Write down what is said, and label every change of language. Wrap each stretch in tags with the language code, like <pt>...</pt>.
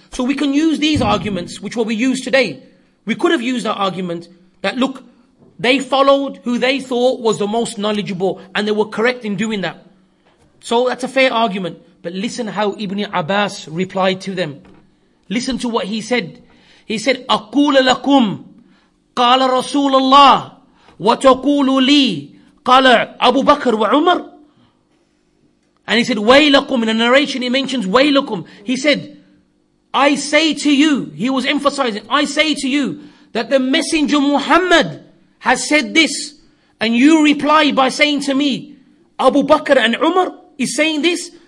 <en>So we can use these arguments, which what we use today. We could have used that argument that look, they followed who they thought was the most knowledgeable and they were correct in doing that. So that's a fair argument. But listen how Ibn Abbas replied to them. Listen to what he said. He said,</en> <ar>أَقُولَ لَكُمْ قَالَ رَسُولَ اللَّهِ وَتَقُولُ لِي قَالَ أَبُو بَكْرُ وَعُمَرُ.</ar> <en>And he said,</en> <ar>وَيْلَكُمْ.</ar> <en>In a narration he mentions, وَيْلَكُمْ. He said, I say to you, he was emphasizing, I say to you that the Messenger Muhammad has said this, and you reply by saying to me, Abu Bakr and Umar is saying this.</en>